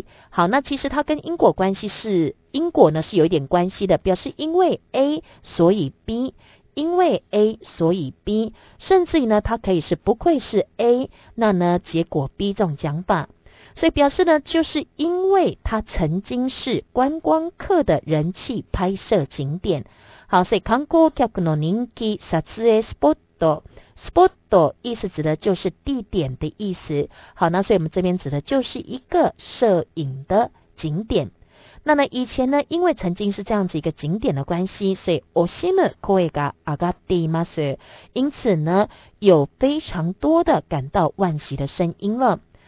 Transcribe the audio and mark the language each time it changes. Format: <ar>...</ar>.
<zh>好，那其实它跟因果关系是因果呢是有一点关系的，表示因为 A 所以 B， 因为 A 所以 B， 甚至于呢它可以是不愧是 A， 那呢结果 B 这种讲法。所以表示呢就是因为它曾经是观光客的人气拍摄景点。</zh> <ja>好，所以観光客の人気撮影スポット。</ja> <zh>スポット意思指的就是地点的意思。好，那所以我们这边指的就是一个摄影的景点。那呢以前呢因为曾经是这样子一个景点的关系，所以</zh> <ja>惜しむ声が上がっています。</ja> <zh>因此呢有非常多的感到惋惜的声音了。</zh>